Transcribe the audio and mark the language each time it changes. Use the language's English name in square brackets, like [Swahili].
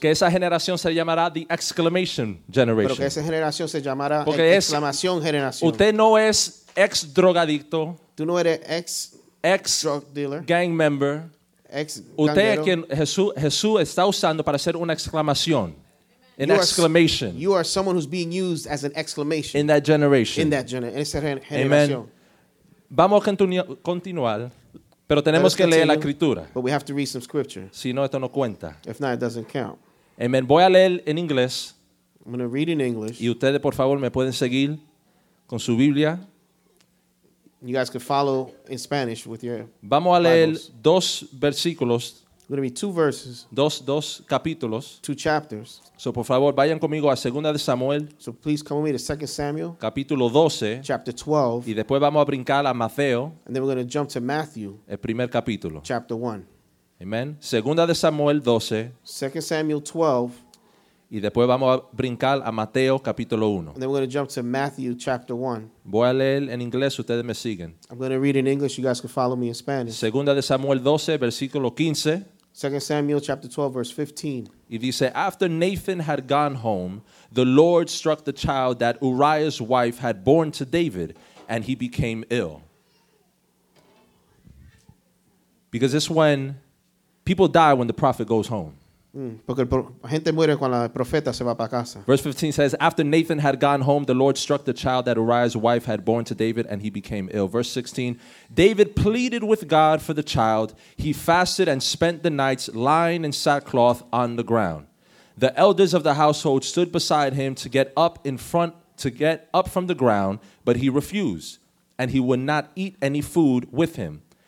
[Spanish] que esa generación se llamará [English] the exclamation generation. [Spanish] Pero que esa generación se llamará la exclamación generación. Usted no es ex drogadicto. Tú no eres ex, ex [English] drug dealer. Gang member. Ex. [Spanish] Usted es quien Jesús está usando para hacer una exclamación. [English] An exclamation. You are someone who's being used as an exclamation. In that generation. In that generation. Amen. [Spanish] Vamos a continuar. Pero tenemos que leer la escritura. [English] But we have to read some scripture. [Spanish] Si no, esto no cuenta. [English] If not, it doesn't count. [Spanish] Amen. Voy a leer en inglés. [English] I'm going to read in English. [Spanish] Y ustedes, por favor, me pueden seguir con su Biblia. [English] You guys can follow in Spanish with your [Spanish] Vamos a leer [English] Bibles. [Spanish] Dos versículos. [English] It's going to be two verses. [Spanish] Dos capítulos. [English] Two chapters. [Spanish] So, por favor, vayan conmigo a Segunda de Samuel. [English] So, please come with me to 2 Samuel. [Spanish] Capítulo 12. [English] Chapter 12. [Spanish] Y después vamos a brincar a Mateo. [English] And then we're going to jump to Matthew. [Spanish] El primer capítulo. [English] Chapter 1. [Spanish] Amen. Segunda de Samuel 12. [English] 2 Samuel 12. [Spanish] Y después vamos a brincar a Mateo, capítulo 1. [English] And then we're going to jump to Matthew, chapter 1. [Spanish] Voy a leer en inglés, ustedes me siguen. [English] I'm going to read in English, you guys can follow me in Spanish. [Spanish] Segunda de Samuel 12, versículo 15. [English] 2 Samuel chapter 12, verse 15. [Spanish] Y dice, [English] after Nathan had gone home, the Lord struck the child that Uriah's wife had born to David, and he became ill. Because it's when people die when the prophet goes home. [Spanish] Porque la gente muere cuando el profeta se va para casa. [English] Verse 15 says, after Nathan had gone home, the Lord struck the child that Uriah's wife had born to David, and he became ill. Verse 16, David pleaded with God for the child. He fasted and spent the nights lying in sackcloth on the ground. The elders of the household stood beside him to get up from the ground, but he refused, and he would not eat any food with him.